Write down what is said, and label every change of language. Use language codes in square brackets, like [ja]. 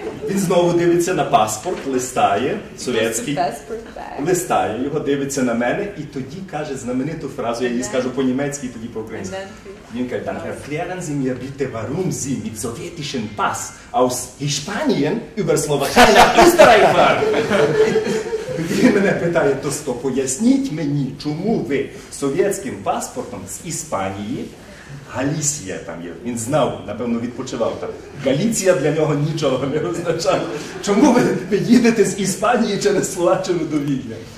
[uk] Він знову дивиться на паспорт, листає, совєтський, листає його, дивиться на мене і тоді каже знамениту фразу, я її скажу по-німецьки, тоді по-українськи. Він каже, [de] «Dann erklären Sie mir bitte, warum Sie mit sowjetischen Pass aus Hispanien über Slowakei nach Österreich fahren?» [uk] Він мене питає, «То сто, поясніть мені, чому ви совєтським паспортом з Іспанії, Галіція там є, він знав, напевно, відпочивав там. Галіція для нього нічого не означає. Чому ви їдете з Іспанії через Словаччину до Відня?»